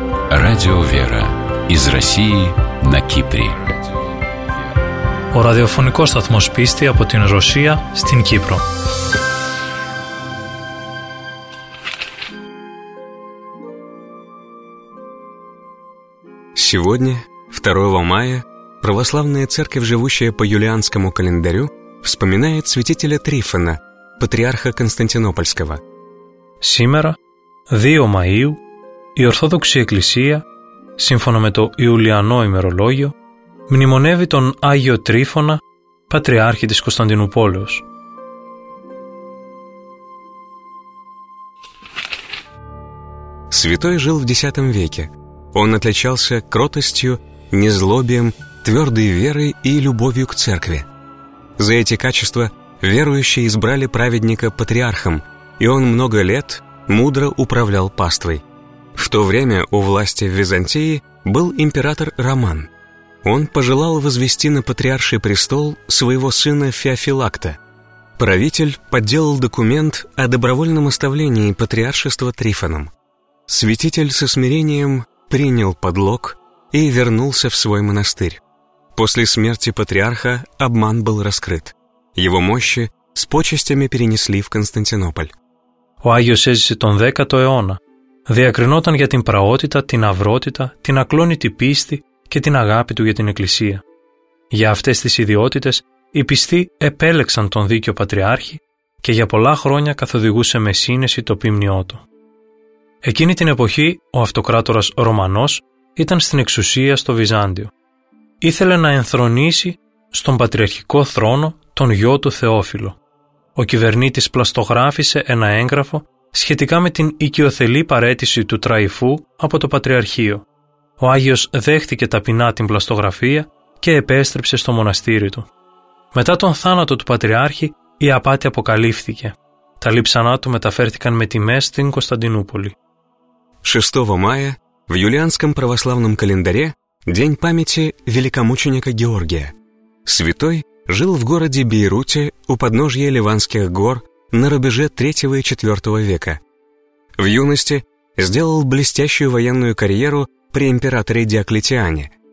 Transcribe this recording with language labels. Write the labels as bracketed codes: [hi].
[ru] Радио «Вера» из России на Кипре. [el] Ο ραδιοφωνικός σταθμός πίστη από την Ρωσία στην Κύπρο. [ru] Сегодня, 2 мая, православная церковь, живущая по юлианскому календарю, вспоминает святителя Трифона, патриарха Константинопольского. Сегодня, 2 мая, [el] η Ορθόδοξη Εκκλησία, σύμφωνα με το Ιουλιανό ημερολόγιο, μνημονεύει τον Άγιο Τρίφωνα, Πατριάρχη της Κωνσταντινούπολης. [ru] Святой жил в X веке. Он отличался кротостью, незлобием, твердой верой и любовью к церкви. За эти качества верующие избрали праведника патриархом, и он много лет мудро управлял паствой. В то время у власти в Византии был император Роман. Он пожелал возвести на патриарший престол своего сына Феофилакта. Правитель подделал документ о добровольном оставлении патриаршества Трифоном. Святитель со смирением принял подлог и вернулся в свой монастырь. После смерти патриарха обман был раскрыт. Его мощи с почестями перенесли в Константинополь. [el] Ο Άγιος έζησε τον 10ο αιώνα. Διακρινόταν για την πραότητα, την αυρότητα, την ακλόνητη πίστη και την αγάπη του για την Εκκλησία. Για αυτές τις ιδιότητες, οι πιστοί επέλεξαν τον δίκαιο Πατριάρχη και για πολλά χρόνια καθοδηγούσε με σύνεση το ποίμνιό του. Εκείνη την εποχή, ο αυτοκράτορας Ρωμανός ήταν στην εξουσία στο Βυζάντιο. Ήθελε να ενθρονίσει στον πατριαρχικό θρόνο τον γιο του Θεόφιλο. Ο κυβερνήτης πλαστογράφησε ένα έγγραφο σχετικά με την οικειοθελή παραίτηση του Τραϊφού από το Πατριαρχείο. Ο Άγιος δέχτηκε ταπεινά την πλαστογραφία και επέστρεψε στο μοναστήρι του. Μετά τον θάνατο του Πατριάρχη, η απάτη αποκαλύφθηκε. Τα λείψανά του μεταφέρθηκαν με τιμές στην Κωνσταντινούπολη. [ru] 6 Μάη, в юлианском православном календаре, день памяти великомученика Георгия. Святой жил в городе Бейруте у подножья Ливанских гор на рубеже 3 и 4 века. В юности сделал блестящую военную карьеру при императоре Диоклетиане.